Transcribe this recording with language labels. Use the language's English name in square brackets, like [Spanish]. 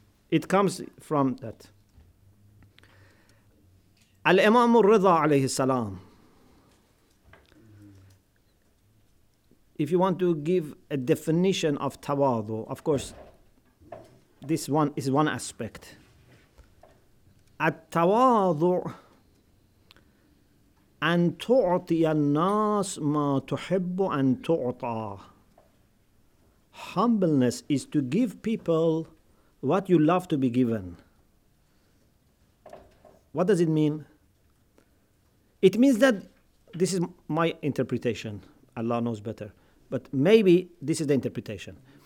[English] It comes from that. Al-Imam al-Ridha alayhi salam. If you want to give a definition of tawadu, of course, this one is one aspect. [Arabic] At-tawadu, أن تعطي الناس ما تحب أن تعطى. [English] Humbleness is to give people what you love to be given. What does it mean? It means that, this is my interpretation, Allah knows better, but maybe this is the interpretation.